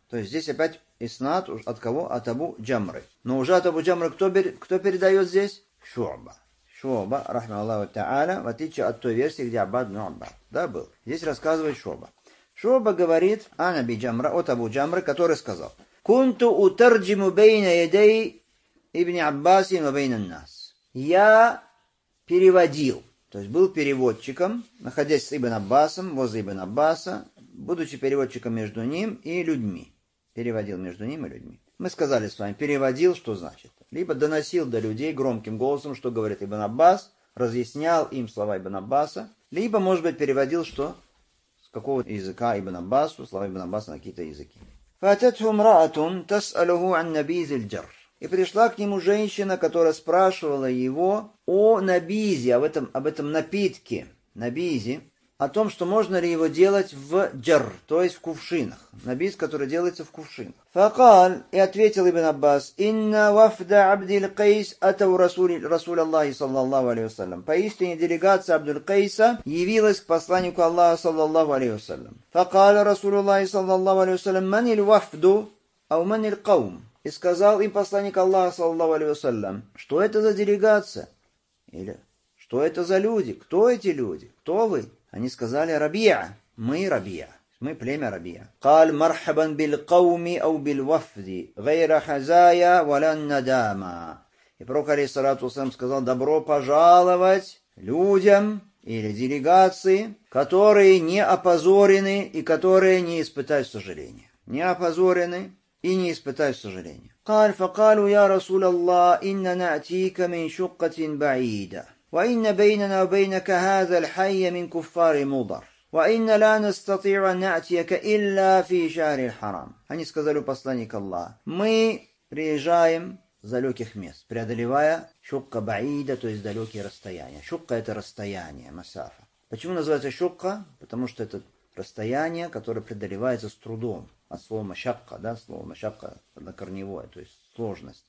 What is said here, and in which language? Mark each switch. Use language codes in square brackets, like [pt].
[ru] То есть здесь опять иснад от кого? От Абу Джамры. Но уже от Абу Джамры кто передает здесь? Шуаба. Шуаба, рахма Аллаху Та'аля, в отличие от той версии, где Аббад Ну Аббад. Да, был. Здесь рассказывает Шуаба. Шуаба говорит [ar] Ан Аби Джамра, [ru] от Абу Джамры, который сказал. [ar] كنت أترجم بين يدي ابن عباس وبين الناس. [ru] Я переводил, то есть был переводчиком, находясь с Ибн Аббасом, возле Ибн Аббаса, будучи переводчиком между ним и людьми. Переводил между ним и людьми. Мы сказали с вами, переводил, что значит? Либо доносил до людей громким голосом, что говорит Ибн Аббас, разъяснял им слова Ибн Аббаса, либо, может быть, переводил, что с какого языка Ибн Аббасу, слова Ибн Аббаса на какие-то языки. [ar] فَاتَتْهُمْ رَأَةٌ تَسْأَلُهُ عَنْ نَبِيذِ الْجَرْ. [ru] И пришла к нему женщина, которая спрашивала его о набизе, об этом напитке, набизе, о том, что можно ли его делать в джар, то есть в кувшинах. Набиз, который делается в кувшинах. [ar] فَقَالْ. [ru] И ответил Ибн Аббас, [ar] إِنَّ وَفْدَ عَبْدِ الْقَيْسِ أَتَوْ رَسُولَ اللَّهِ صَلَّى اللَّهُ عَلَيْهُ وَسَلَّمُ. [ru] Поистине делегация Абдул Кейса явилась к посланнику Аллаха, صلى الله عليه وسلم. [ar] فقال رسول الله صلى الله عليه وسلم من الوفد أو من القوم. [ru] И сказал им посланник Аллаха, صلى الله عليه وسلم, что это за делегация? Или что это за люди? Кто эти люди? Кто вы? Они сказали Рабия. Мы Рабия. Мы племя Рабия. [ar] قال مرحبا بالقوم أو بالوفد غير حزايا ولا ندامة. [ru] И пророк алейхиссалату вассалям сказал добро пожаловать людям или делегации, которые не опозорены и которые не испытают сожаления. Не опозорены и не испытают сожаления. [ar] قال فقالوا يا رسول الله إننا نأتيك من شقة بعيدة وإن بيننا وبينك هذا الحي من كفار مضر وإن لا نستطيع أن نأتيك إلا في شهر الحرام. [ru] Они сказали посланник Аллаха, мы приезжаем с далеких мест, преодолевая шукка баида, то есть далекие расстояния. Шукка это расстояние, масафа. Почему называется шукка? Потому что это расстояние, которое преодолевается с трудом. От слова машакка, да, слово машакка однокорневое, то есть сложность.